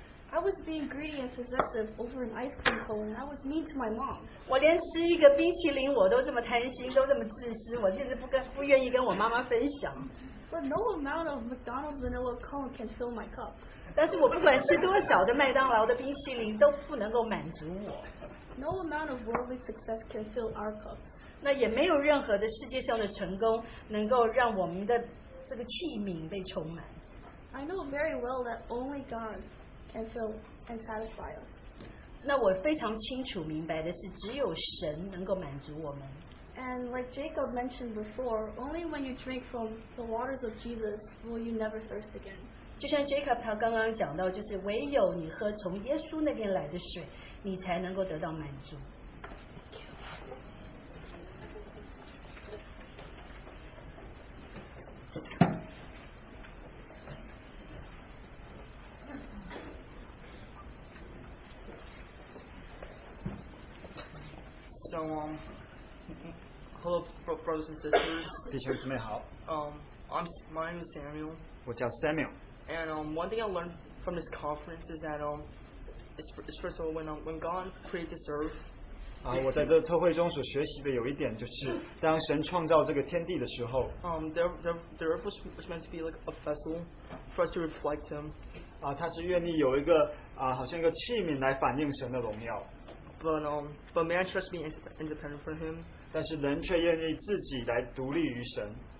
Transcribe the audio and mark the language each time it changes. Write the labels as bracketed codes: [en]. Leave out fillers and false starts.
[en] I was being greedy and possessive over an ice cream cone, and I was mean to my mom. [zh] 我连吃一个冰淇淋我都这么贪心，都这么自私，我甚至不愿意跟我妈妈分享。 [en] But no amount of McDonald's vanilla cone can fill my cup. [zh] 但是我不管吃多少的麦当劳的冰淇淋都不能够满足我。 [en] No amount of worldly success can fill our cups. [zh] 那也没有任何的世界上的成功能够让我们的这个器皿被充满。 [en] I know very well that only God can fill and satisfy us. [zh] 那我非常清楚明白的是，只有神能够满足我们。 [en] And like Jacob mentioned before, only when you drink from the waters of Jesus will you never thirst again. [zh] 就像 Jacob 他刚刚讲到，就是唯有你喝从耶稣那边来的水。你才能够得到满足。 [en] So, hello, brothers and sisters. [zh] 弟兄姊妹好。 [en] My name is Samuel. [zh] 我叫 Samuel. [en] And one thing I learned from this conference is that first of all, when God created this earth, [zh] 我在这特会中所学习的有一点就是，当神创造这个天地的时候， [en] the earth was meant to be like a vessel for us to reflect Him. [zh] 它是愿意有一个好像一个器皿来反映神的荣耀。 [en] But man tries to be independent from Him. [zh] 但是人却愿意自己来独立于神。